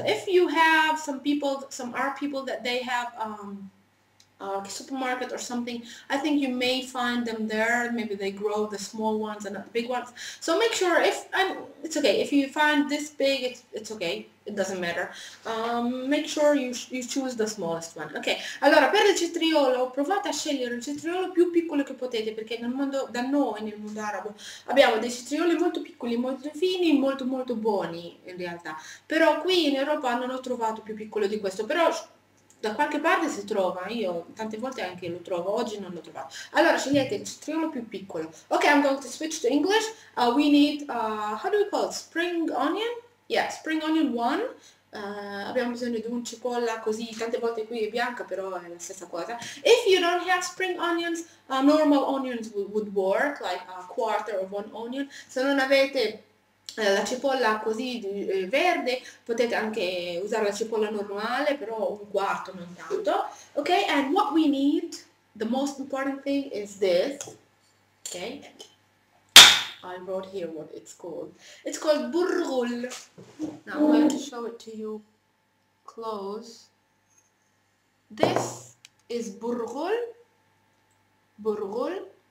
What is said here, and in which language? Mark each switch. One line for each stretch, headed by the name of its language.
English: So if you have some Arab people that they have a supermarket or something, I think you may find them there. Maybe they grow the small ones and not the big ones. So make sure, it's okay if you find this big, it's okay, it doesn't matter. Make sure you choose the smallest one.
Italian: Ok, allora per il cetriolo provate a scegliere il cetriolo più piccolo che potete, perché nel mondo, da noi nel mondo arabo, abbiamo dei cetrioli molto piccoli, molto fini, molto molto buoni in realtà, però qui in Europa non ho trovato più piccolo di questo, però da qualche parte si trova, io tante volte anche lo trovo, oggi non l'ho trovato. Allora scegliete il cetriolo più piccolo.
English: Ok, I'm going to switch to English. We need, how do we call it, spring onion? Yeah, spring onion one.
Italian: Abbiamo bisogno di un cipolla così, tante volte qui è bianca, però è la stessa cosa.
English: If you don't have spring onions, normal onions would work, like a quarter of one onion.
Italian: Se non avete la cipolla così verde, potete anche usare la cipolla normale, però un quarto non tanto.
English: Ok, and what we need, the most important thing is this. Okay, I wrote here what it's called. It's called burrul. Now I'm going to show it to you close. This is burrul. Burrul.